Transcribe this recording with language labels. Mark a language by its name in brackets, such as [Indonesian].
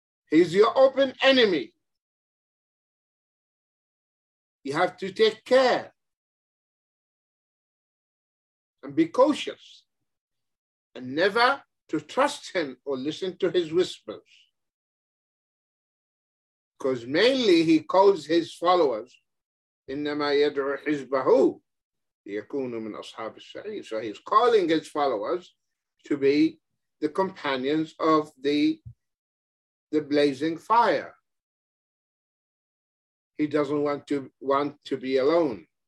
[English] He's your open enemy. You have to take care and be cautious and never to trust him or listen to his whispers. Because mainly he calls his followers [Arabic] إِنَّمَا يَدْعُ حِزْبَهُ يَكُونُ مِنْ أَصْحَابِ السَّعِيرِ. [English] So he's calling his followers to be the companions of the blazing fire. He doesn't want to be alone.